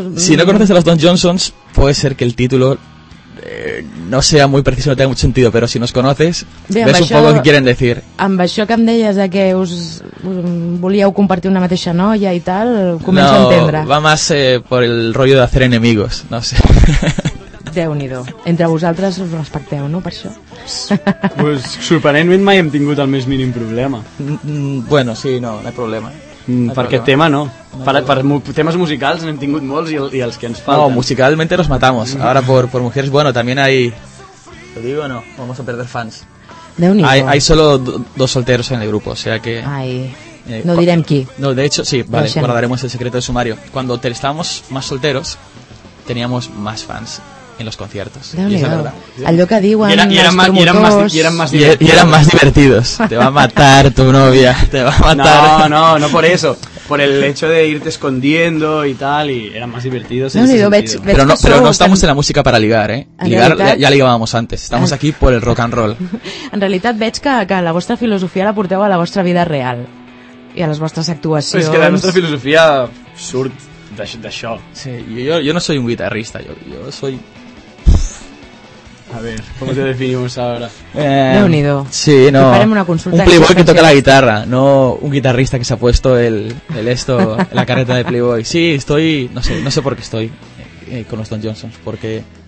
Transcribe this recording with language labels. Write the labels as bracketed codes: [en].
[es] Si no conoces a los Don Johnsons, puede ser que el título no sea muy preciso, no tenga mucho sentido, pero si nos conoces, bé, ves un poco qué quieren decir. [ca] Amb això que em deies de que us volíeu compartir una mateixa noia i tal, començo no, a entendre. [es] No, va más por el rollo de hacer enemigos, no sé. [ca] Déu-n'hi-do. Entre vosaltres us respecteu, no, per això? Pues, sorprenentment mai hem tingut el més mínim problema. [es] Bueno, sí, no hay problema. [ca] Per aquest tema, no. Per temes musicals n'hem tingut molts i els que ens falten. [es] No, musicalmente nos matamos. Ahora por mujeres, bueno, también hay... ¿Lo digo o no? Vamos a perder fans. [ca] Déu-n'hi-do. [es] Hay solo dos solteros en el grupo, o sea que... [ca] Ay. No direm qui. [es] No, de hecho, sí, vale, no guardaremos el secreto de sumario. Cuando estábamos más solteros, teníamos más fans en los conciertos. [ca] Allò que diuen [es] eran más divertidos. Te va a matar tu novia, te va a matar. No por eso, por el hecho de irte escondiendo y tal, y eran más divertidos. Pero no estamos en la música para ligar, Ligar ya ligábamos antes. Estamos aquí por el rock and roll. [ca] En realitat veig que la vostra filosofia la porteu a la vostra vida real i a les vostres actuacions. És que la nostra filosofia surt d'això. [es] Sí, jo no soy un guitarrista, jo soy... A ver, ¿cómo te definimos ahora? [ca] Déu-n'hi-do. Sí, no. Preparem una consulta. [es] Un playboy que toca la guitarra, no un guitarrista que se ha puesto el la carreta de playboy. Sí, estoy, no sé por qué estoy con los Don Johnsons, porque...